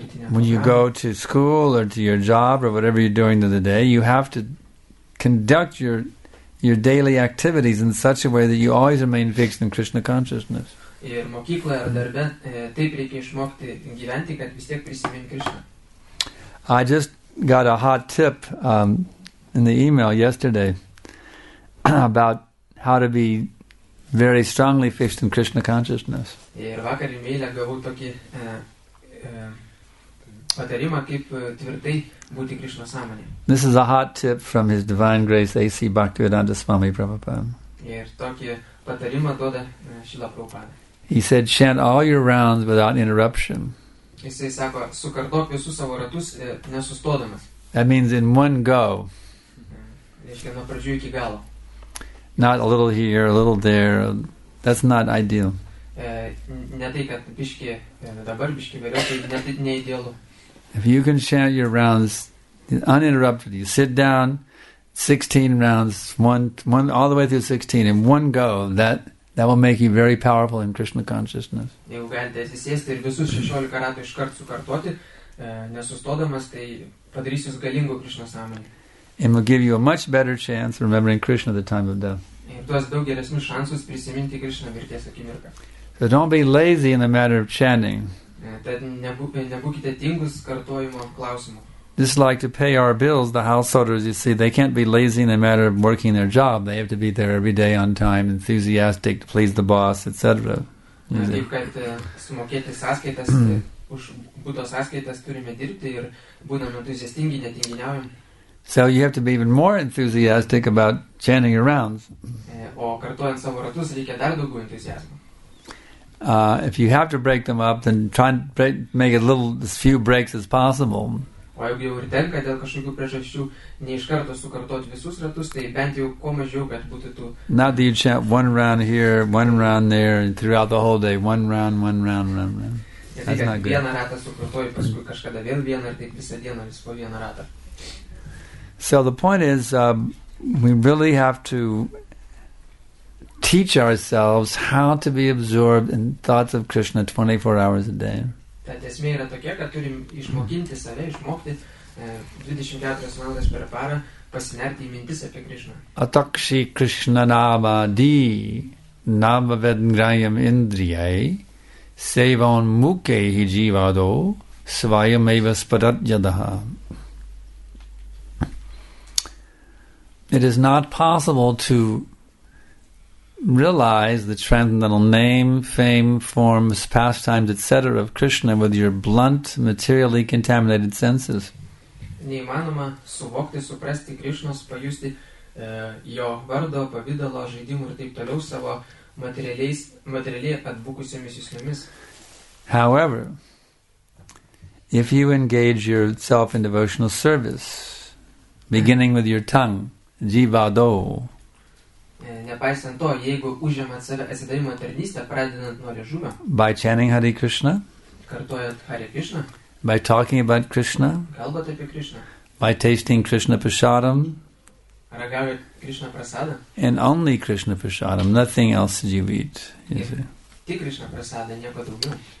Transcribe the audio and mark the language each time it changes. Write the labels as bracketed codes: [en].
[en] When you go to school or to your job or whatever you're doing through the day, you have to conduct your daily activities in such a way that you always remain fixed in Krishna consciousness. [lt] Ir mokykloje ar darbe taip reikia išmokti gyventi, kad vis tiek prisimint Krishna. [en] I just got a hot tip in the email yesterday about how to be very strongly fixed in Krishna consciousness. [lt] Ir vakar emailą gavau tokį patarimą, kaip tvirtai būti Krishna sąmonėje. [en] This is a hot tip from His Divine Grace A.C. Bhaktivedanta Swami Prabhupada. [lt] Ir tokį patarimą duoda Šila Prabhupada. [en] He said, chant all your rounds without interruption. [lt] Jisai sako, sukartok visus savo ratus nesustodamas. [en] That means in one go. [lt] Reiškia, nuo pradžių iki galo. [en] Not a little here, a little there. That's not ideal. [lt] Ne tai, kad biškį dabar, biškį vėliau, tai ne tai neidealu. [en] If you can chant your rounds uninterrupted, you sit down 16 rounds, one all the way through 16 in one go, that will make you very powerful in Krishna consciousness. [lt] Jeigu galite atsisėsti ir visus 16 ratų iš kart sukartoti, nesustodamas, tai padarys jūs galingų Krishna sąmonį. [en] It will give you a much better chance remembering Krishna at the time of death. [lt] Ir duos daug geresnius šansus prisiminti Krishna mirties akimirką. [en] So don't be lazy in the matter of chanting. [lt] Tad nebūkite tingus kartojimo klausimu. [en] Just like to pay our bills, the householders, you see, they can't be lazy in the matter of working their job. They have to be there every day on time, enthusiastic, to please the boss, etc. [lt] Taip, kad sumokėti sąskaitas, už būto sąskaitas turime dirbti ir būdami entuziastingi, netinginiaujam. [en] So you have to be even more enthusiastic about chanting your rounds. [lt] O kartuojant savo ratus, reikia dar daugiau entuziasmo. [en] If you have to break them up, then try and make as few breaks as possible. [lt] O jeigu jau ir tenka dėl kažkokių priežasčių ne iš karto sukartoti visus ratus, tai bent jau kuo mažiau, kad būtų tų. [en] Not that you chant one round here, one round there, and throughout the whole day, one round. That's not good. [lt] Vieną ratą sukartoji, paskui kažkada vėl vieną, ir taip visą dieną vis po vieną ratą. [en] So the point is, we really have to teach ourselves how to be absorbed in thoughts of Krishna 24 hours a day. [lt] Tad esmė yra tokia, kad turim išmokinti save, išmokti 24 valandas per parą pasinerti į mintis apie Krishna. [sa] Atakshi Krishna nama di nama vedngrayam indriyai sevon muke hi jivado svayam evas padatyadaha. [en] It is not possible to realize the transcendental name, fame, forms, pastimes, etc. of Krishna with your blunt, materially contaminated senses. [lt] Neįmanoma suvokti, suprasti Krishnos, pajusti jo vardo, pavidalo, žaidimų ir taip toliau savo materialiai atbukusiomis juslėmis. [en] However, if you engage yourself in devotional service, beginning with your tongue, jivado, [lt] Nepaisant to, jeigu užėmėt save atsidavimo tarnystę, pradedant nuo liežuvio, [en] by chanting Hare Krishna, [lt] kartojant Hare Krishna, [en] by talking about Krishna, [lt] kalbant apie Krishna, [en] by tasting Krishna prasadam, [lt] ragaujant Krishna prasadam, [en] and only Krishna prasadam, nothing else that you eat, you see. [lt] Tik Krishna prasadam, nieko daugiau.